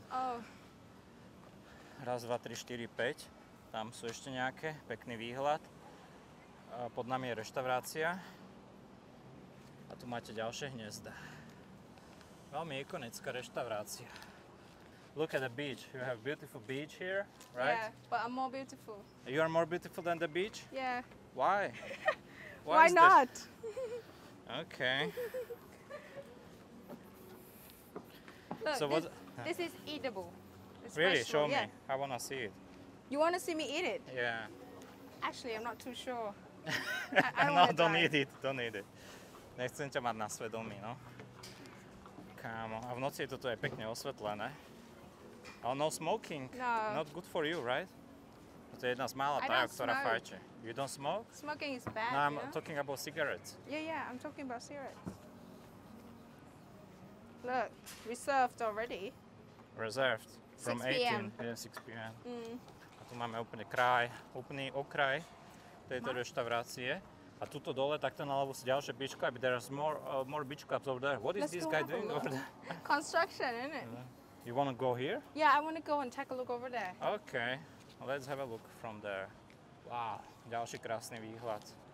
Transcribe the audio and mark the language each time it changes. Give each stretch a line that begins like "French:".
Slovak: Oh. Raz, dva, tri, štyri, päť. Tam sú ešte nejaké, pekný výhľad. A pod nami je reštaurácia. A tu máte ďalšie hniezda. Veľmi ikonická reštaurácia.
English: Look at the beach. You have beautiful beach here, right? Yeah, but I'm more beautiful. You are more beautiful than the beach? Yeah. Why? Why not? Okay. Look, so this is eatable. Really? Show me. I wanna see it. You wanna see me eat it? Yeah. Actually, I'm not too sure. No, don't need it.
Slovak: Nechcem ťa mať na svedomí, no. Kámo, a v noci je toto aj pekne osvetlené.
English: Oh, no smoking. No. Not good for you, right?
Slovak: To je jedna z mála tá, ktorá fajčí.
English: You don't smoke? Smoking is bad, no, you know? No, I'm talking about cigarettes. Yeah, I'm talking about cigarettes. Look, reserved already. Reserved. From 18. Yeah, 6 PM.
Slovak: Mm. A tu máme úplne kraj, úplný okraj tejto reštaurácie. A tuto dole, takto na ľavu si ďalšie beach club.
English: There's more beach clubs over there. What is this guy doing over there? Construction, isn't it? You want to go here? Yeah, I want to go and take a look over there. Okay, let's have a look from there.
Slovak: Wow, ďalší krásny výhľad.